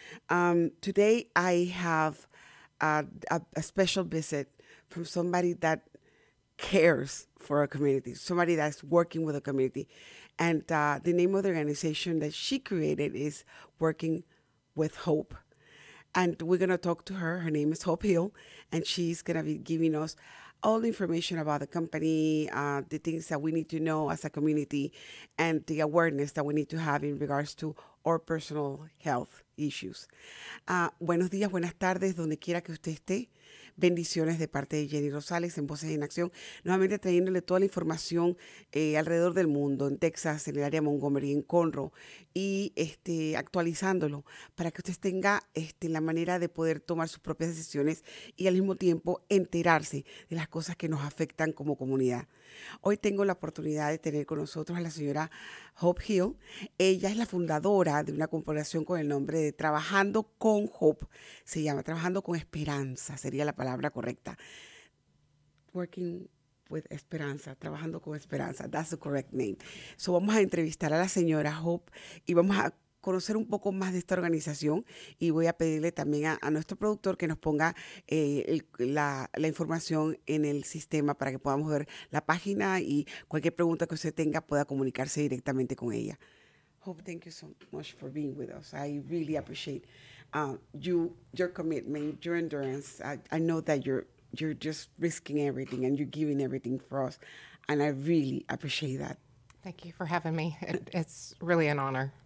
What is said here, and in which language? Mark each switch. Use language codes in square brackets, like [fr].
[en] Today I have a special visit from somebody that cares for a community, somebody that's working with a community, and the name of the organization that she created is Working with Hope, and we're going to talk to her. Her name is Hope Hill, and she's going to be giving us all the information about the company, the things that we need to know as a community, and the awareness that we need to have in regards to our personal health issues. [es] Buenos días, buenas tardes, donde quiera que usted esté. Bendiciones de parte de Jenny Rosales en Voces en Acción, nuevamente trayéndole toda la información alrededor del mundo, en Texas, en el área Montgomery, en Conroe, y actualizándolo para que usted tenga la manera de poder tomar sus propias decisiones y al mismo tiempo enterarse de las cosas que nos afectan como comunidad. Hoy tengo la oportunidad de tener con nosotros a la señora Hope Hill. Ella es la fundadora de una corporación con el nombre de Trabajando con Hope. Se llama Trabajando con Esperanza, sería la palabra correcta. Working with Esperanza, Trabajando con Esperanza. [en] That's the correct name. [es] So vamos a entrevistar a la señora Hope y vamos a conocer un poco más de esta organización, y voy a pedirle también a nuestro productor que nos ponga la información en el sistema para que podamos ver la página y cualquier pregunta que usted tenga pueda comunicarse directamente con ella. [en] Hope, thank you so much for being with us. I really appreciate your commitment, your endurance. I know that you're just risking everything and you're giving everything for us, and I really appreciate that. Thank you for having me. It's really an honor.